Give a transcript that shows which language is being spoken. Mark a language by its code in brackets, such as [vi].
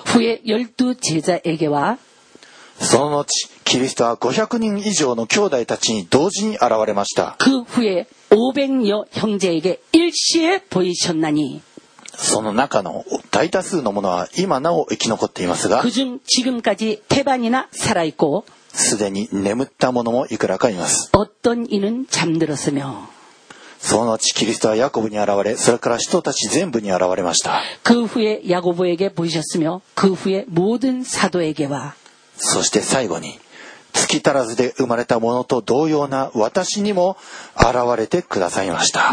[ko] 후에열두제자에게와、 [ja] その後キリストは500人以上の兄弟たちに同時に現れました。 [ko] 그후에500여형제에게일시에보이셨나니、 [ja] その中の大多数の者は今なお生き残っていますが、 [ko] 그중지금까지태반이나살아있고、 [ja] すでに眠った者もいくらかいます。 [ko] 어떤이는잠들었으며、 [ja] その後キリストはヤコブに現れ、それから使徒たち全部に現れました。 [ko] 그후에야고보에게보이셨으며그후에모든사도에게와、 [ja] そして最後に月足らずで生まれたものと同様な私にも現れてくださいました。